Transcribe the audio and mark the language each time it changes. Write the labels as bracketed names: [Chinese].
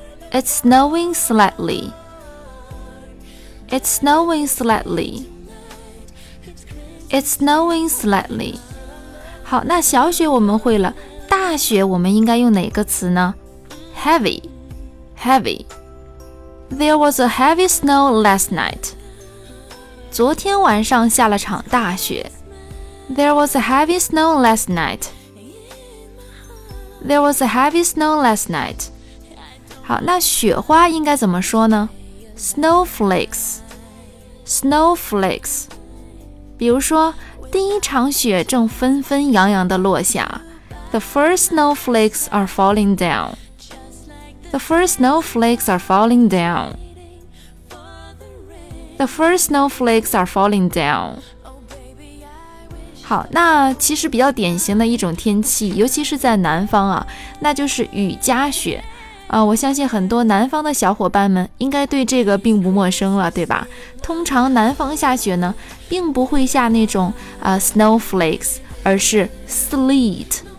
[English] It's snowing slightly. It's snowing slightly. It's snowing slightly. [Chinese] 好，那小雪我们会了。大雪我们应该用哪个词呢？ [English] Heavy. Heavy. There was a heavy snow last night. [Chinese] 昨天晚上下了场大雪。 [English] There was a heavy snow last night. There was a heavy snow last night. [Chinese] 好，那雪花应该怎么说呢？ [English] Snowflakes. Snowflakes. [Chinese] 比如说，第一场雪正纷纷扬扬地落下。 [English] The first snowflakes are falling down. The first snowflakes are falling down. The first snowflakes are falling down. [Chinese] 好，那其实比较典型的一种天气，尤其是在南方啊，那就是雨夹雪。我相信很多南方的小伙伴们应该对这个并不陌生了，对吧？通常南方下雪呢，并不会下那种snowflakes， 而是 sleet。